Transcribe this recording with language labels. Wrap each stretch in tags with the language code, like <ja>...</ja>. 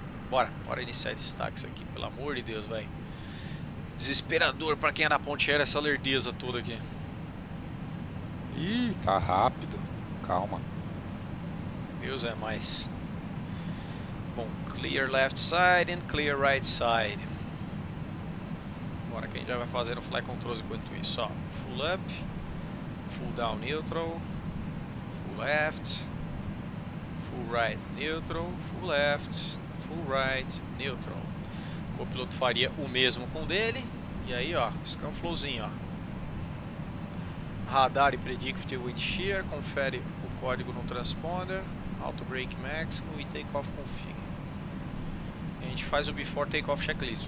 <pt>Bora iniciar esses táxis aqui, pelo amor de Deus, velho. Desesperador para quem é na ponte aérea essa lerdeza toda aqui. Ih, tá rápido. Calma. Deus é mais. Bom,</pt> <en>clear left side and clear right side.</en> <pt>Agora que a gente já vai fazendo flight controls enquanto isso, ó.</pt> <en>Full up, full down neutral, full left, full right neutral, full left, full right neutral.</en> <pt>O copiloto faria o mesmo com o dele. E aí, ó, scan flowzinho, ó. Radar e predictive wind shear, confere o código no transponder. Auto brake maximum e takeoff config. A gente faz o before takeoff checklist.</pt>